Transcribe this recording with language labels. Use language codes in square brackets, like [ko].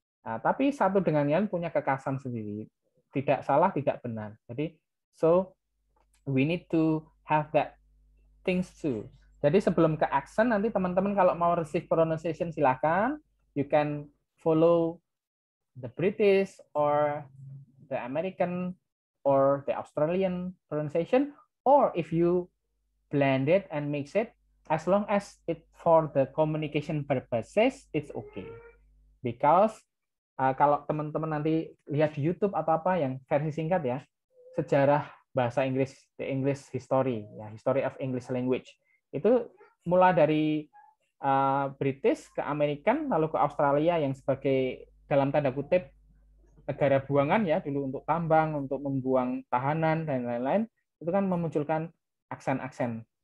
[id] Nah, tapi satu dengan yang punya kekhasan sendiri. Tidak salah, tidak benar. Jadi, [en] so we need to have that things too. [id] Jadi sebelum ke accent, nanti teman-teman kalau mau [en] receive pronunciation silakan, you can follow the British or the American or the Australian pronunciation, or if you blend it and mix it, as long as it for the communication purposes, it's okay. [id] Because kalau teman-teman nanti lihat di YouTube atau apa yang versi singkat ya, sejarah bahasa Inggris, [en] the English history, [id] ya, [en] history of English language, [id] itu mulai dari British ke American, lalu ke Australia yang sebagai dalam tanda kutip negara buangan ya, dulu untuk tambang, untuk membuang tahanan, dan lain-lain, itu kan memunculkan aksen-aksen.